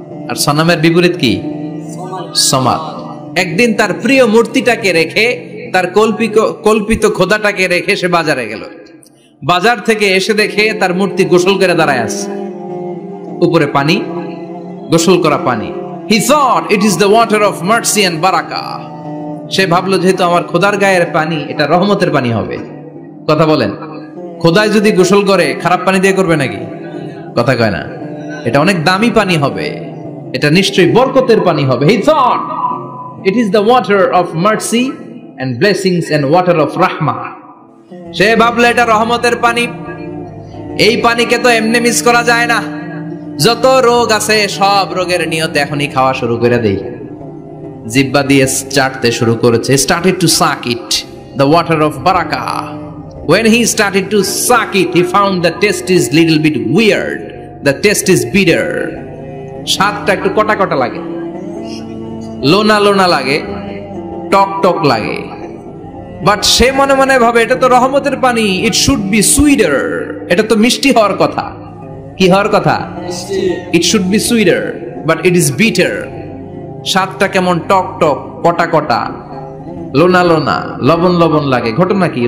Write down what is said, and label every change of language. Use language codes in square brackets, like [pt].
[bn] আর সনামের বিপরীত কি? সমাদ। একদিন তার প্রিয় মূর্তিটাকে রেখে, তার কল্পিত খোদাটাকে রেখে সে বাজারে গেল। বাজার থেকে এসে দেখে তার মূর্তি গোসল করে দাঁড়ায় আছে, উপরে পানি, গোসল করা পানি। [en] He thought it is the water of mercy and baraka. [bn] সে ভাবলো যেহেতু আমার খোদার গায়ের পানি, এটা রহমতের পানি হবে। কথা বলেন, খোদায় যদি গোসল করে খারাপ পানি দিয়ে করবে নাকি? কথা কয় না, এটা অনেক দামি পানি হবে, এটা নিশ্চয়ই বরকতের পানি হবে। [en] He thought it is the water of mercy and blessings and water of rahmah. [bn] সে ভাবলো এটা রহমতের পানি, এই পানিকে তো এমনি মিস করা যায় না, যত রোগ আছে সব রোগের নিয়ত এখনই খাওয়া শুরু করে দেই। জিব্বা দিয়ে চাটতে শুরু করেছে, [en] started to suck it, the water of baraka. When he started to suck it, he found the taste is little bit weird, the taste is bitter. [bn] স্বাদটা একটু কটা কটা লাগে, লোনা লোনা লাগে, টক টক লাগে। বাট সে মনে মনে ভাবে এটা তো রহমতের পানি, [en] it should be sweeter, [bn] এটা তো মিষ্টি হওয়ার কথা। কি হওয়ার কথা? [en] It should be sweeter, but it is bitter. [bn] স্বাদটা কেমন টক টক, কটা কটা, লোনা লোনা, লবণ লবণ লাগে। ঘটনা কি?